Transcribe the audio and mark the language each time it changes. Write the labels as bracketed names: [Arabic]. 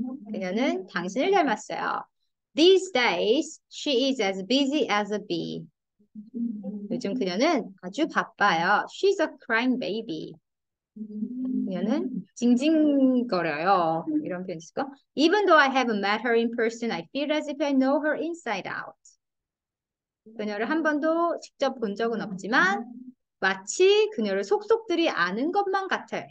[Korean] 그녀는 당신을 닮았어요. [English] These days, she is as busy as a bee. [Korean] 요즘 그녀는 아주 바빠요. [English] She's a crying baby. [Korean] 그녀는 징징거려요. 이런 표현 있을까? [English] Even though I haven't met her in person, I feel as if I know her inside out. [Korean] 그녀를 한 번도 직접 본 적은 없지만 마치 그녀를 속속들이 아는 것만 같아요.